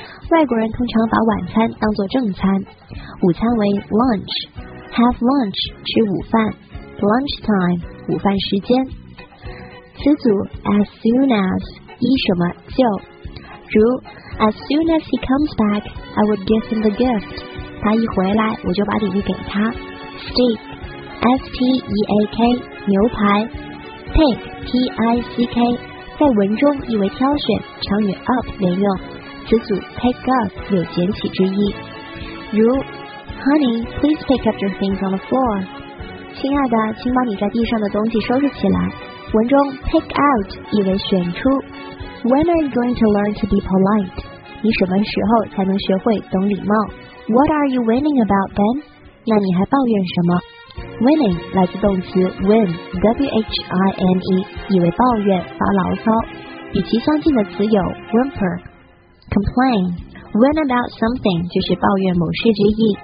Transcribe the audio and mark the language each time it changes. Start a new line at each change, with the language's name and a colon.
Chinese: 外国人通常把晚餐当作正餐。午餐为
English: lunch, have lunch,
Chinese: 吃午饭。
English: Lunch time,
Chinese: 午饭时间。词组
English: as soon as,
Chinese: 依什么就。
English: 如 as soon as he comes back, I would give him the gift.
Chinese: 他一回来我就把礼物给他。 Steak, S-T-E-A-K, 牛排。 Pick, P-I-C-K, 在文中意为挑选，常与 up 连用，词组 pick up 有捡起之意。
English: 如 Honey, please pick up your things on the floor.
Chinese: 亲爱的，请把你在地上的东西收拾起来。文中 pick out 意为选出。
English: When are you going to learn to be polite?
Chinese: 你什么时候才能学会懂礼貌？
English: What are you whining about then?
Chinese: 那你还抱怨什么？Whining 来自动词 whine, W-H-I-N-E, 意为抱怨、发牢骚。与其相近的词有 whimper, complain, whine about something 就是抱怨某事之意。